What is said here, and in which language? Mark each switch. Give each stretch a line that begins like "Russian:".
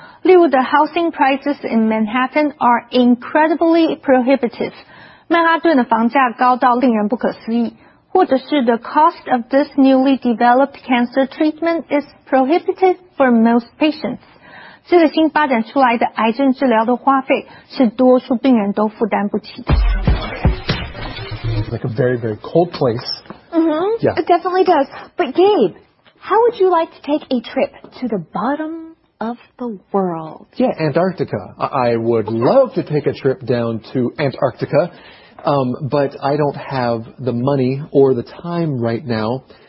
Chinese: 例如
English: ，The housing prices in Manhattan are incredibly prohibitive。
Chinese: 曼哈顿的房价高到令人不可思议，或者是
English: The cost of this newly developed cancer treatment is prohibitive for most patients.
Chinese: 这个新发展出来的癌症治疗的花费是多数病人都负担不起的。
English: Like a very, very cold place. Mm-hmm. Yeah. It definitely does. But Gabe, how would you like to take a trip to the bottom of the world? Yeah, Antarctica. I would love to take a trip down to Antarctica, but I don't have the money or the time right now.